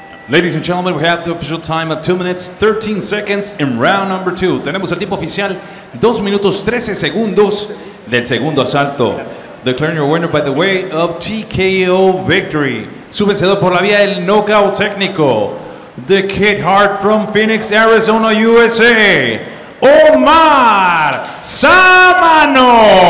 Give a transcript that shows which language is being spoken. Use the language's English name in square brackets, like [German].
[English] Ladies and gentlemen, we have the official time of 2 minutes, 13 seconds in round number 2. [Spanish] Tenemos el tiempo oficial, 2 minutos 13 segundos del segundo asalto. [English] Declaring your winner by the way of TKO victory. [Spanish] Su vencedor por la vía del knockout técnico. [English] The Kid Hart from Phoenix, Arizona, USA. [Spanish] Omar Sámano.